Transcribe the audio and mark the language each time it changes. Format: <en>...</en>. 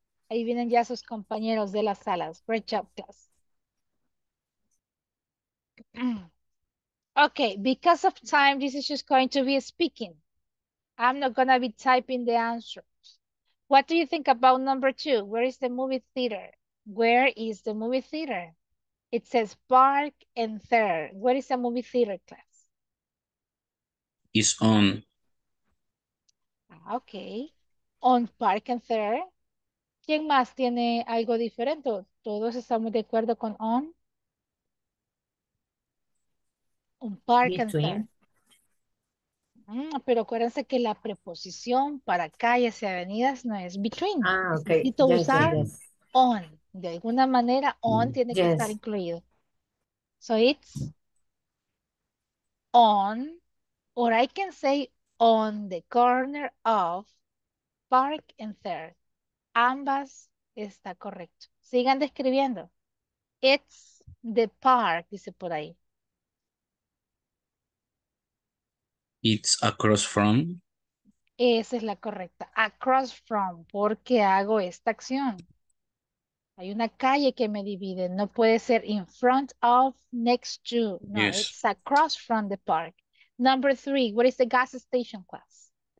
<es>Ahí vienen ya sus compañeros de las salas.</es> <en>Great job, class. Okay, because of time, this is just going to be speaking. I'm not going to be typing the answers. What do you think about number 2? Where is the movie theater? Where is the movie theater? It says park and third. Where is the movie theater, class? It's on. Okay, on park and third.</en> <es>¿Quién más tiene algo diferente? ¿Todos estamos de acuerdo con on?</es> <en>Un park and third.</en> <es>Pero acuérdense que la preposición para calles y avenidas no es between. Ah, ok. Necesito usar on, De alguna manera, on tiene que estar incluido.</es> <en>So it's on, or I can say on the corner of Park and Third.</en> <es>Ambas está correcto. Sigan describiendo.</es> <en>It's the park,</en> <es>dice por ahí.</es> <en>It's across from.</en> <es>Esa es la correcta. Across from, porque hago esta acción. Hay una calle que me divide. No puede ser in front of, next to. No,</es> <en>yes. It's across from the park. Number three, what is the gas station class?</en>